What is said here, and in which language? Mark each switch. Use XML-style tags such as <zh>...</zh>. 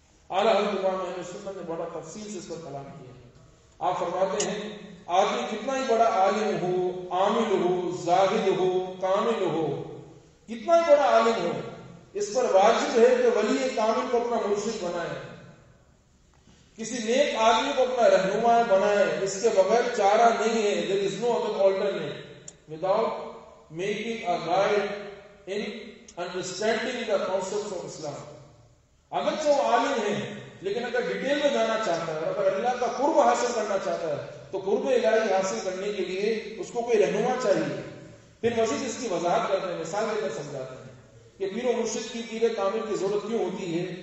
<ur>اعلیٰ حضرت امام اہل سنت نے بڑا تفصیل سے اس پر کلام کیا. آپ فرماتے ہیں, آدمی کتنا ہی بڑا عالم ہو, عامل ہو, زاہد ہو, کامل ہو, کتنا ہی بڑا عالم ہو, اس پر واجب ہے کہ ولی کامل کو اپنا مرشد بنائے, کسی نیک آدمی کو اپنا رہنما بنائے. اس کے بغیر چارہ نہیں ہے.</ur> <en>There is no other alternative without making a guide in understanding the concepts of Islam.</en> <ur>اگرچہ وہ عالم ہے لیکن اگر ڈیٹیل میں جانا چاہتا ہے, اگر اللہ کا قرب حاصل کرنا چاہتا ہے تو قرب الہی حاصل کرنے کے لیے اس کو کوئی رہنما چاہیے. پھر مزید اس کی وضاحت کرتے ہیں, مثال دے کر سمجھاتے ہیں کہ پیر و مرشد کی پیر کامل کی ضرورت کیوں ہوتی ہے.</ur>